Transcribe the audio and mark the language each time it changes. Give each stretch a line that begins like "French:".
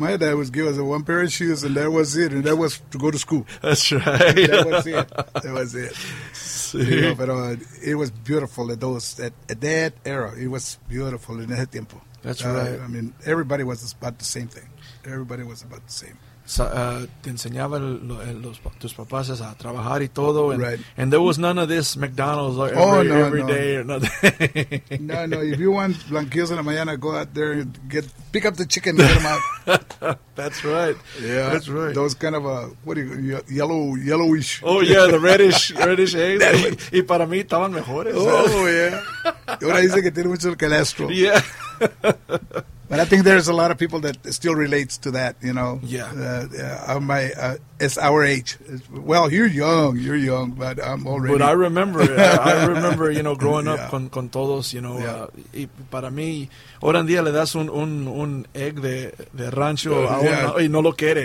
English: My dad was giving us one pair of shoes, and that was it, and that was to go to school. That's right. That was it.
Spanish: Sí.
English: You know, pero it was beautiful at those at that era. It was beautiful in that tempo. That's right. I mean, everybody was about the same thing. Everybody was about the same.
Spanish: Te enseñaban tus papás a trabajar y todo.
English: And, right. And there was none of this McDonald's day or nothing. No. If you want
Spanish: blanquillos en la mañana,
English: go out there and pick up the chicken and get them out. That's right. Yeah. That's right. Those kind of, yellowish. Oh, yeah, the reddish eggs.
Spanish: Y para mí estaban mejores.
English: Oh, yeah.
Spanish: Y ahora dice que tiene mucho colesterol.
English: Yeah. But I think there's a lot of people that still relates to that, you know. Yeah. It's our age. Well, you're young, but I'm already. But I remember. I remember, you know, growing up
Spanish: con todos,
English: you know. Yeah.
Spanish: Y para mí, hoy en día le das un egg de rancho y no lo quiere.